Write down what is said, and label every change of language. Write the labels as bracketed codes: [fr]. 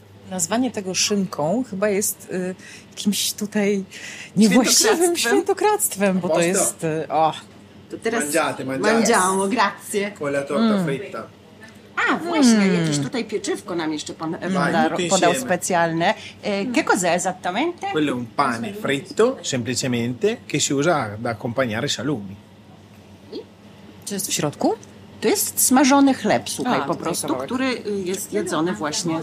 [pl] Nazwanie tego szynką chyba jest jakimś tutaj niewłaściwym świętokradztwem, bo to jest... To teraz [it] mangiamo, grazie. Con la torta fritta. [pl] Jakieś tutaj pieczywko nam jeszcze pan podał specjalne. [it] Che cos'è esattamente? Quello è un pane fritto, semplicemente, che si usa ad accompagnare salumi. [pl] Co jest w środku? To jest smażony chleb, słuchaj, po prostu, który jest jedzony właśnie